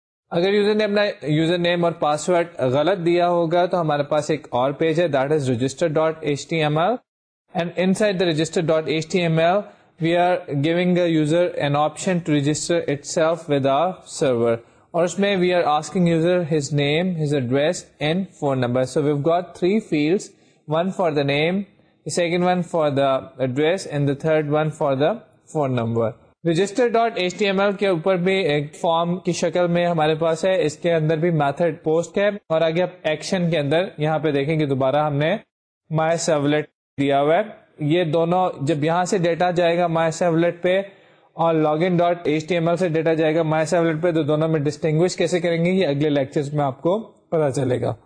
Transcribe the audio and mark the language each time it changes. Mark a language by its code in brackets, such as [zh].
[ur] اگر یوزر نے اپنا یوزر نیم اور پاسورڈ غلط دیا ہوگا تو ہمارے پاس ایک اور پیج ہے [en] that is register.html, and inside the register.html we are giving a user an option to register itself with a server, [ur] اور اس میں [en] We are asking user his name his address and phone number. So we've got three fields, one for the name, second one for the address, and the third one for the phone number. [ur] register.html کے اوپر بھی ایک form کی شکل میں ہمارے پاس ہے, اس کے اندر بھی میتھڈ پوسٹ ہے, اور آگے آپ ایکشن کے اندر یہاں پہ دیکھیں گے دوبارہ ہم نے مائی سرولیٹ دیا ہوا ہے. یہ دونوں جب یہاں سے ڈیٹا جائے گا مائی سرولیٹ پہ اور login.html سے ڈیٹا جائے گا مائی سرولیٹ پہ, تو دونوں میں ڈسٹنگوش کیسے کریں گے یہ اگلے لیکچرز میں آپ کو پتا چلے گا.